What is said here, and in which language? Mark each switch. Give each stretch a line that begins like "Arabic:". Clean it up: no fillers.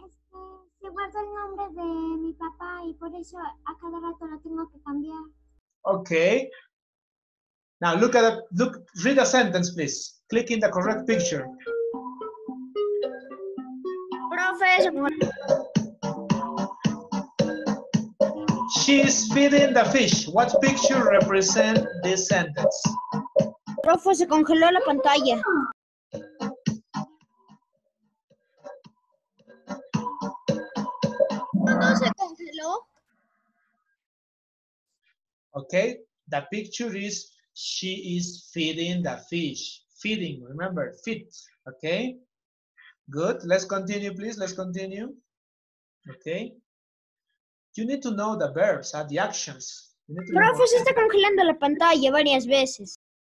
Spanish: Guardo el nombre de mi papá y por eso a cada rato lo tengo que cambiar.
English: Okay. Now look at the, look, read the sentence, please. Click in the correct picture.
Spanish: Profesor.
English: She's feeding the fish. What picture represents this sentence?
Spanish: Profe, se congeló la pantalla.
English: Okay, the picture is she is feeding the fish. Feeding, remember, feed. Okay, good. Let's continue, please. Let's continue. Okay, you need to know the verbs, the actions.
Spanish: Profe, se está congelando la pantalla varias veces.